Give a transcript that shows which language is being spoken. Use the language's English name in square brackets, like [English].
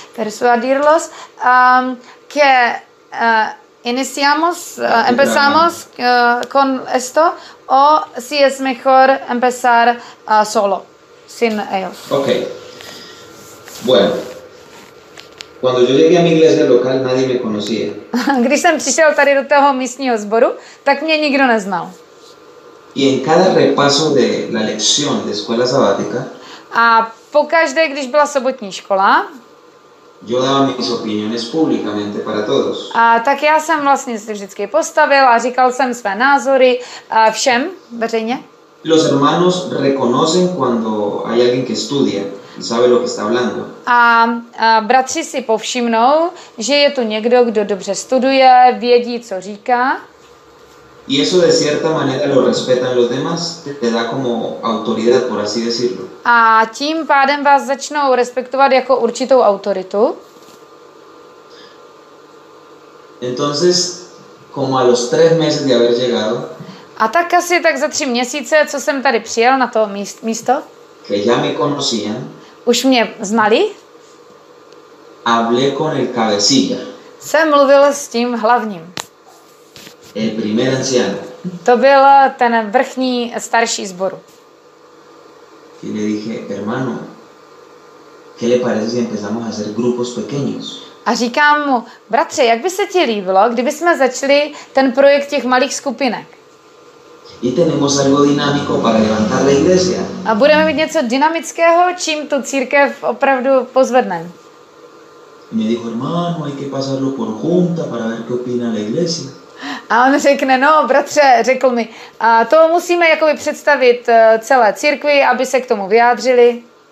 [Spanish] Persuadirlos que empezamos con esto o si es mejor empezar solo, sin ellos. Ok. Bueno, cuando yo llegué a mi iglesia local nadie me conocía. [Czech] Když jsem přišel tady do toho místního sboru, tak mě nikdo neznal. [Spanish] Y en cada repaso de la lección de escuela sabática. [Czech] A pokaždé, když byla sobotní škola. [Spanish] Yo daba mis opiniones públicamente para todos. [Czech] A tak já jsem vlastně se vždycky postavil a říkal jsem své názory všem veřejně. [Spanish] Los hermanos reconocen cuando hay alguien que estudia y sabe lo que está hablando. [Czech] A bratři si povšimnou, že je tu někdo, kdo dobře studuje, vědí, co říká. [Spanish] Y eso de cierta manera lo respetan los demás, te da como autoridad, por así decirlo. [Czech] A tím pádem vás začnou respektovat jako určitou autoritu. [Spanish] Entonces, como a los tres meses de haber llegado. [Czech] A tak asi tak za 3 měsíce, co jsem tady přijel na to místo. [Spanish] Que ya me conocían. [Czech] Už mě znali. [Spanish] Hablé con el cabecilla. [Czech] Jsem mluvil s tím hlavním. [Spanish] El primer anciano. [Czech] To byl ten vrchní starší sboru. [Spanish] Y le dije, hermano, ¿qué le parece si empezamos a hacer grupos pequeños? [Czech] A říkám mu, bratře, jak by se ti líbilo, kdyby jsme začali ten projekt těch malých skupinek? [Spanish] Y tenemos algo dinámico para levantar la iglesia. [Czech] A budeme mít něco dynamického, čím tu církev opravdu pozvedne. [Spanish] Me dijo, hermano, hay que pasarlo por junta para ver qué opina la iglesia. [Czech] A on řekne, no bratře, řekl mi, a to musíme jakoby představit celé církvi, aby se k tomu vyjádřili.